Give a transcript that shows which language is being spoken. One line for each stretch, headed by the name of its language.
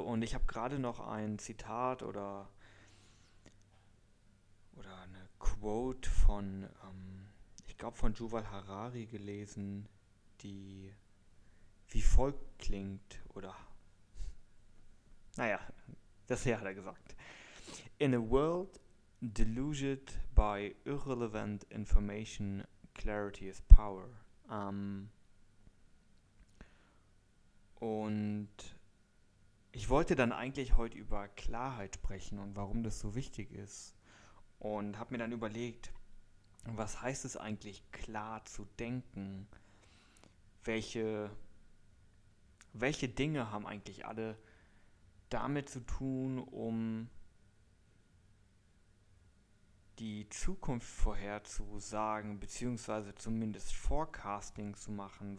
German: Und ich habe gerade noch ein Zitat oder eine Quote von, ich glaube, von Yuval Harari gelesen, die wie folgt klingt. Oder naja, das hier hat er gesagt.
English: In a world deluged by irrelevant information, clarity is power.
German: Und ich wollte dann eigentlich heute über Klarheit sprechen und warum das so wichtig ist. Und habe mir dann überlegt, was heißt es eigentlich, klar zu denken? Welche Dinge haben eigentlich alle damit zu tun, um die Zukunft vorherzusagen, beziehungsweise zumindest Forecasting zu machen?